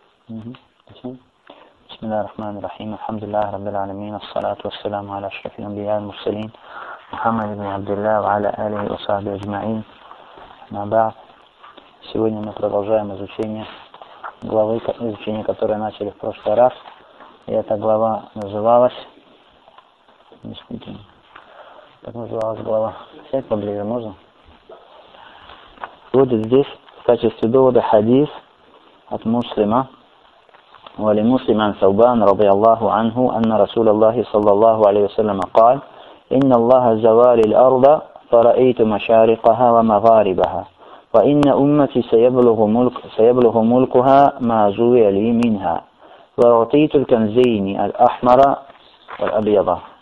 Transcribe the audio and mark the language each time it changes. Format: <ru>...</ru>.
<ar>بسم الله الرحمن الرحيم، الحمد لله رب العالمين، الصلاة والسلام على أشرف الأنبياء المرسلين محمد بن عبد الله وعلى آله وصحبه أجمعين. أما بعد،</ar> <ru>сегодня мы продолжаем изучение главы, изучение которое начали в прошлый раз. И эта глава называлась... Действительно. Как называлась глава? Сядь поближе, можно? Вот здесь в качестве довода хадис от муслима.</ru> <ar>ولمسلم عن ثوبان رضي الله عنه أن رسول الله صلى الله عليه وسلم قال إن الله زوال الأرض فرأيت مشارقها ومغاربها وإن أمتي سيبلغ ملكها ما زوي لي منها وأعطيت الكنزين الأحمر والأبيض</ar>